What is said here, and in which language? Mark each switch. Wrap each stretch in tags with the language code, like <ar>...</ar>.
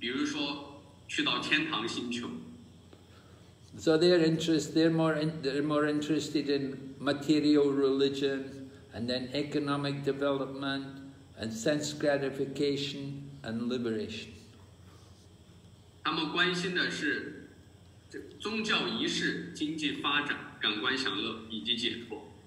<zh>他们只是得到了一些非常短暂的利益，比如说去到天堂星球。</zh> <en>So they're more interested in material religion, and then economic development, and sense gratification, and liberation.</en> <zh>他们关心的是宗教仪式、经济发展、感官享乐以及解脱。</zh>